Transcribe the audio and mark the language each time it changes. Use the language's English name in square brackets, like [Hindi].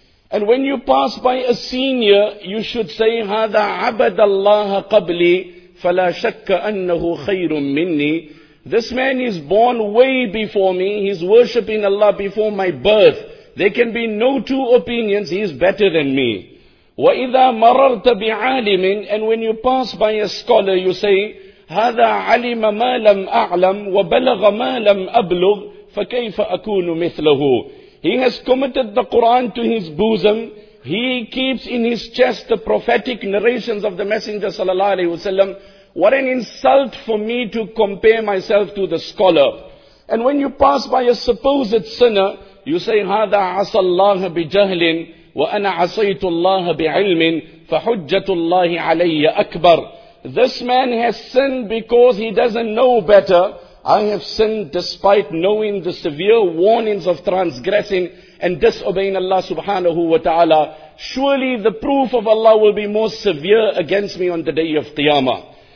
[English] And when you pass by a senior, you should say, [Arabic] هَذَا عَبَدَ اللَّهَ قَبْلِي فَلَا شَكَّ أَنَّهُ خَيْرٌ مِّنِّي. [English] This man is born way before me, he's worshipping Allah before my birth. There can be no two opinions, he's better than me. [Arabic] وَإِذَا مَرَرْتَ بِعَالِمٍ, [English] and when you pass by a scholar, you say, [Arabic] هَذَا عَلِمَ مَا لَمْ أَعْلَمْ وَبَلَغَ مَا لَمْ أَبْلُغْ فَكَيْفَ أَكُونُ مِثْلَهُ. [English] He has committed the Qur'an to his bosom. He keeps in his chest the prophetic narrations of the Messenger sallallahu alayhi wasallam. What an insult for me to compare myself to the scholar. And when you pass by a supposed sinner, you say, [Arabic] هَذَا عَصَى اللَّهَ بِجَهْلٍ وَأَنَا عَصَيْتُ اللَّهَ بِعِلْمٍ فَحُجَّةُ اللَّهِ عَلَيَّ أَكْبَرُ. [English] This man has sinned because he doesn't know better. I have sinned despite knowing the severe warnings of transgressing and disobeying Allah subhanahu wa ta'ala. Surely the proof of Allah will be more severe against me on the day of Qiyamah.